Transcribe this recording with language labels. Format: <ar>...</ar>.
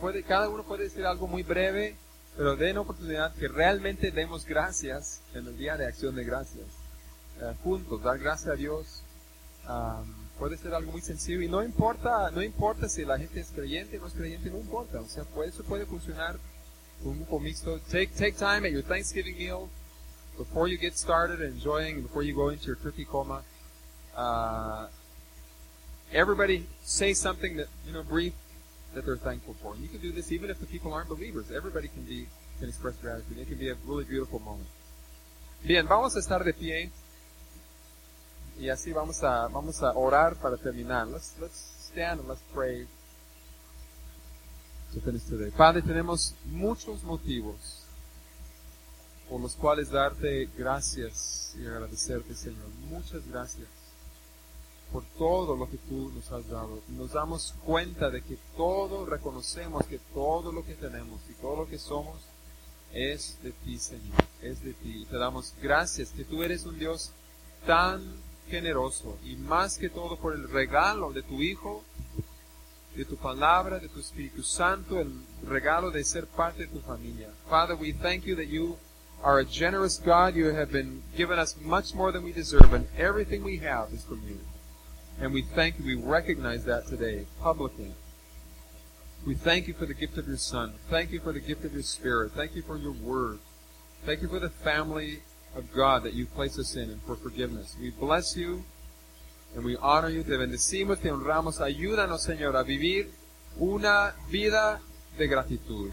<es>Cada uno puede decir algo muy breve, pero den oportunidad que realmente demos gracias en el Día de Acción de Gracias. Juntos, dar gracias a Dios puede ser algo muy sencillo y no importa si la gente es creyente o no es creyente, no importa. O sea, eso puede funcionar un grupo mixto.</es> <en>Take time at your Thanksgiving meal before you get started enjoying, before you go into your turkey coma. Everybody say something that, you know, brief that they're thankful for. And you can do this even if the people aren't believers. Everybody can express gratitude. It can be a really beautiful moment.</en> <es>Bien, vamos a estar de pie. Y así vamos a orar para terminar.</es> <en>Let's stand and let's pray to finish today.</en> <es>Padre, tenemos muchos motivos por los cuales darte gracias y agradecerte, Señor. Muchas gracias por todo lo que tú nos has dado. Nos damos cuenta de que todo, reconocemos que todo lo que tenemos y todo lo que somos es de ti, Señor. Es de ti. Y te damos gracias que tú eres un Dios tan generoso, y más que todo por el regalo de tu Hijo, de tu palabra, de tu Espíritu Santo, el regalo de ser parte de tu familia.</es> <en>Father, we thank you that you are a generous God. You have been given us much more than we deserve, and everything we have is from you. And we thank you, we recognize that today publicly. We thank you for the gift of your Son. Thank you for the gift of your Spirit. Thank you for your Word. Thank you for the family of God that you place us in, and for forgiveness. We bless you and we honor you.</en> <es>Te bendecimos, te honramos. Ayúdanos, Señor, a vivir una vida de gratitud.</es>